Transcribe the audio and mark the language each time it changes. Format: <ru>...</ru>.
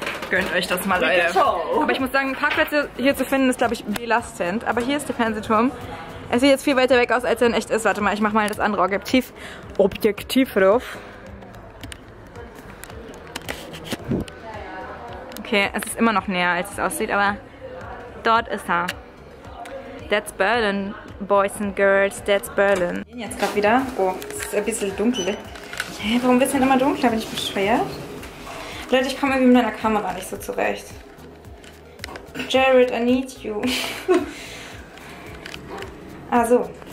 <de>Gönnt euch das mal, Leute. Aber ich muss sagen, Parkplätze hier zu finden ist, glaube ich, belastend. Aber hier ist der Fernsehturm. Er sieht jetzt viel weiter weg aus, als er in echt ist. Warte mal, ich mache mal das andere Objektiv drauf. Okay, es ist immer noch näher, als es aussieht, aber dort ist er.</de> <en>That's Berlin, Boys and Girls, that's Berlin.</en> <de>Wir gehen jetzt gerade wieder. Oh, es ist ein bisschen dunkel. Hey, warum wird es denn immer dunkler? Bin ich beschwert? Leute, ich komme irgendwie mit meiner Kamera nicht so zurecht.</de> <en>Jared, I need you. Ah, so.</en>